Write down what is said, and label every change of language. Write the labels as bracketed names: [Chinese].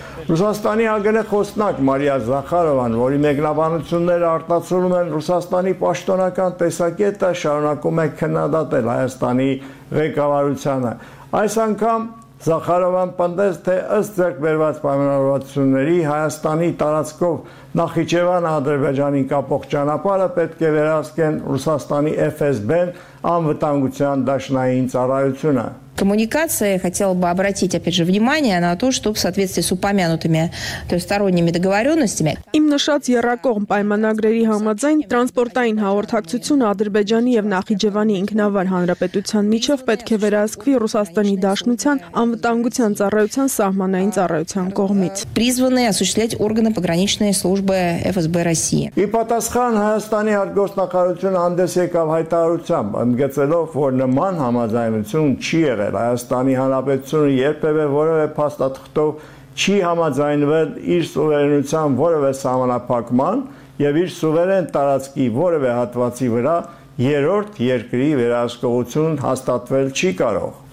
[Armenian] Ռուսաստանի ԱԳՆ խոսնակ Մարիա Զախարովան, որի մեկնաբանությունները արտացոլում են Ռուսաստանի պաշտոնական տեսակետը, շարունակում է քննադատել Հայաստանի ղեկավարությանը։ Այս անգամ Զախարովան պնդեց, թե ըստ ձեռքբերված պայմանավորվածությունների Հայաստանի տարածքով Նախիջևան-Ադրբեջանի կապող ճանապարհը պետք է վերահսկեն Ռուսաստանի ՖՍԲ-ն անվտանգության դաշնային ծառայությունը։ [Russian] Коммуникация, хотела бы обратить, опять же, внимание на то, что в соответствии с упомянутыми сторонними договоренностями. [Armenian] Իմ նշած երակող պայմանագրերի համաձայն տրանսպորտային հաղորդակցությունը Ադրբեջանի և Նախիջևանի ինքնավար հանրապետության միջև պետք է վերահսկվի Ռուսաստանի Դաշնության անվտանգության ծառայության սահմանային ծառայության կողմից։ [Russian] Призваны осуществлять органы пограничной службы ФСБ России. [Armenian] Ի պատասխան Հայաստանի արտգործնախարարությունը հանդես եկավ հայտարարությամբ, ընդգծելով, որ նման համաձայնություն չի եղել, Հայաստանի Հանրապետությունը երբևէ որևէ փաստաթղթով չի համաձայնվել իր սուվերենության որևէ սահմանափակման և իր սուվերեն տարածքի որևէ հատվածի վրա երրորդ երկրի վերահսկողություն հաստատվել չի կարող,